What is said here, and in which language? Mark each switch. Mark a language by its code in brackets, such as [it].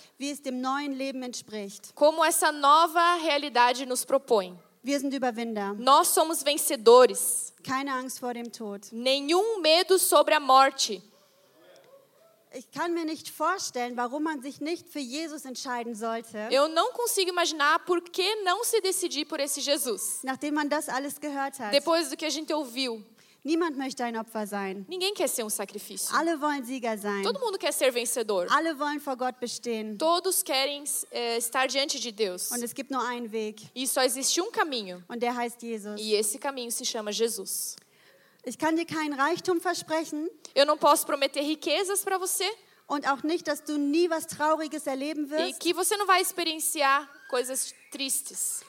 [de] Wie es dem neuen Leben entspricht. [pt] Como essa nova realidade nos propõe. [de] Wir sind Überwinder. [pt] Nós somos vencedores. [de] Keine Angst vor dem Tod. [pt] Nenhum medo sobre a morte. [de] Ich kann mir nicht vorstellen, warum man sich nicht für Jesus entscheiden sollte. [pt] Eu não consigo imaginar por que não se decidir por esse Jesus. [de] Nachdem man das alles gehört hat. [pt] Depois do que a gente ouviu. [de] Niemand möchte ein Opfer sein. [pt] Ninguém quer ser sacrifício. [de] Alle wollen Sieger sein. [pt] Todo mundo quer ser vencedor. [de] Alle wollen vor Gott bestehen. [pt] Todos querem estar diante de Deus. [de] Und es gibt nur einen Weg. [pt] E só existe caminho. [de] Und der heißt Jesus. [pt] E esse caminho se chama Jesus. [de] Ich kann dir keinen Reichtum versprechen. [pt] Eu não posso prometer riquezas para você. [de] Und auch nicht, dass du nie was Trauriges erleben wirst. [pt] E que você não vai experienciar coisas tristes.